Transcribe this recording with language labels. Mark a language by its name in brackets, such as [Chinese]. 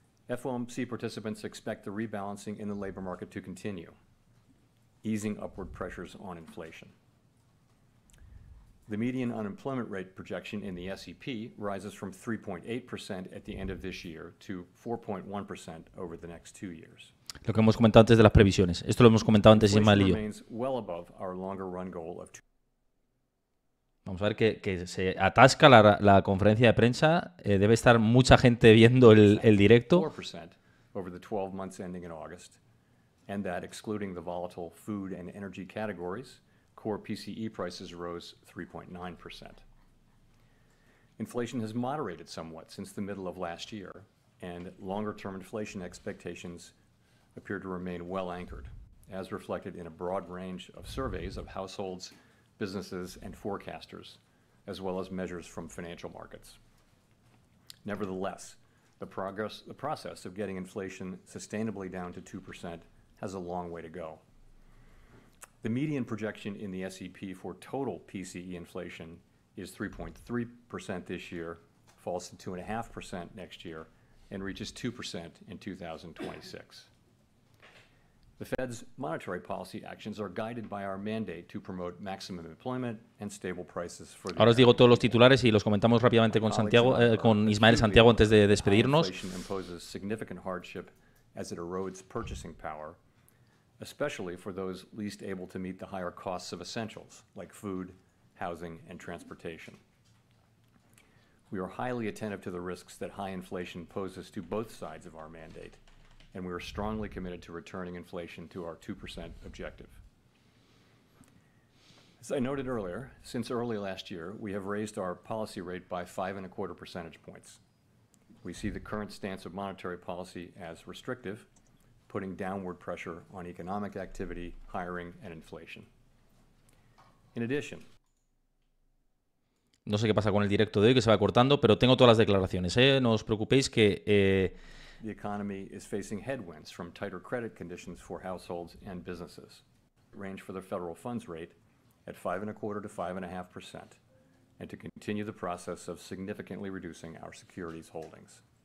[English] FOMC participants expect the rebalancing in the labor market to continue, easing upward pressures on inflation. The median unemployment rate projection in the SEP rises from 3.8% at the end of this year to 4.1% over the next 2 years. [Spanish] Lo que hemos comentado antes de las previsiones. Esto lo hemos comentado antes, Ismael y yo. [English] Well above our longer run goal of two. [Spanish] Vamos a ver que se atasca la conferencia de prensa. Debe estar mucha gente viendo el directo. [English] 4% over the 12 months ending in August, and that excluding the volatile food and energy categories, core PCE prices rose 3.9%. Inflation has moderated somewhat since the middle of last year, and longer-term inflation expectations appear to remain well anchored, as reflected in a broad range of surveys of households, businesses, and forecasters, as well as measures from financial markets. Nevertheless, the process of getting inflation sustainably down to 2% has a long way to go. The median projection in the SEP for total PCE inflation is 3.3% this year, falls to 2.5% next year, and reaches 2% in 2026. The Fed's monetary policy actions are guided by our mandate to promote maximum employment and stable prices for the. [Spanish] Ahora os digo todos los titulares y los comentamos rápidamente con Santiago, con Ismael Santiago antes de despedirnos. [English] Inflation imposes significant hardship as it erodes purchasing power, especially for those least able to meet the higher costs of essentials like food, housing, and transportation. We are highly attentive to the risks that high inflation poses to both sides of our mandate, and we are strongly committed to returning inflation to our 2% objective. As I noted earlier, since early last year, we have raised our policy rate by 5.25 percentage points. We see the current stance of monetary policy as restrictive, putting downward pressure on economic activity, hiring, and inflation. In addition, [Spanish] no sé qué pasa con el directo de hoy, que se va cortando, pero tengo todas las declaraciones, ¿eh? No os preocupéis que [English] the economy is facing headwinds from tighter credit conditions for households and businesses. Range for the federal funds rate at 5.25 to 5.5%, and to continue the process of significantly reducing our securities holdings.